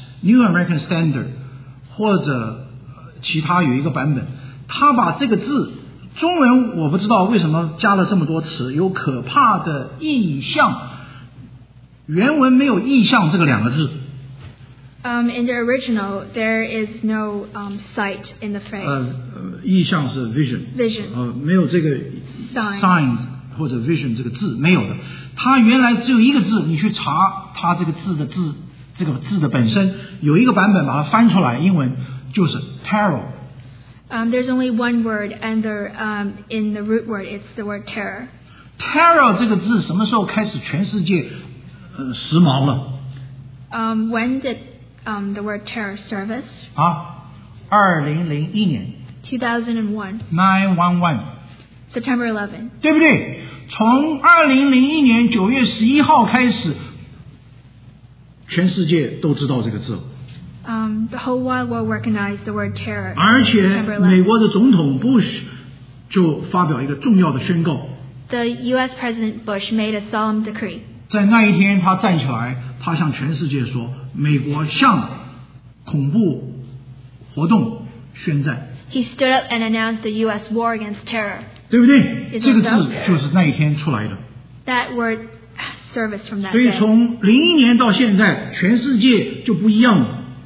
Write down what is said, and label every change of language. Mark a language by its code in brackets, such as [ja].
[zh] New American Standard 或者其他有一个版本，他把这个字中文我不知道为什么加了这么多词，有可怕的意象，原文没有意象这个两个字。 [en] In the original, there is no sight in the phrase. [zh] 意象是 vision. [en] Vision. [zh] 没有这个 [en] sign [zh] 或者 vision 这个字，没有的。它原来只有一个字，你去查它这个字的字，这个字的本身有一个版本把它翻出来，英文就是 terror. [en] There's only one word, and in the root word, it's the word terror. [zh] Terror 这个字什么时候开始全世界时髦了？ [en] When did the word terror service? [zh] 2001年 [en] 2001 September 11 [zh] 对不对？从2001年9月11号开始，全世界都知道这个字。 [en] The whole wide world recognized the word terror. [zh] 而且美国的总统 Bush 就发表一个重要的宣告。 [en] The US President Bush made a solemn decree. [zh] 在那一天他站起来，他向全世界说，美国向恐怖活动宣战。 [en] He stood up and announced the US war against terror. [zh] 对不对？这个字就是那一天出来的。 [en] That word service from that day. [zh] 所以从零一年到现在，全世界就不一样了。